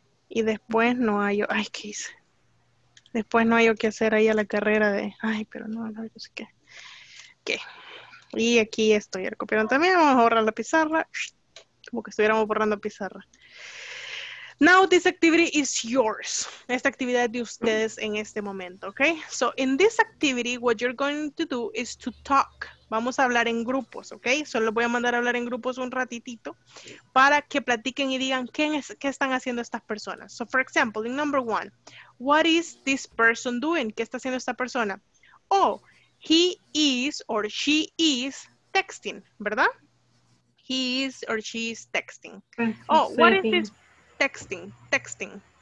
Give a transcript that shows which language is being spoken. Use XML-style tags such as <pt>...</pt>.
<es>Y después no hay, ay, ¿qué hice? Después no hay o qué hacer ahí a la carrera de, ay, pero no, no, yo sé qué. ¿Qué? Y aquí estoy, ya lo copiaron también, vamos a borrar la pizarra. Como que estuviéramos borrando pizarra.</es> <en>Now this activity is yours.</en> <es>Esta actividad es de ustedes en este momento, okay?</es> <en>So in this activity, what you're going to do is to talk.</en> <es>Vamos a hablar en grupos, okay? So los voy a mandar a hablar en grupos un ratitito para que platiquen y digan qué están haciendo estas personas.</es> <en>So for example, in number one, what is this person doing?</en> <es>¿Qué está haciendo esta persona?</es> <en>Oh, he is or she is texting, ¿verdad? He is or she is texting. Oh, what is this? Texting.</en>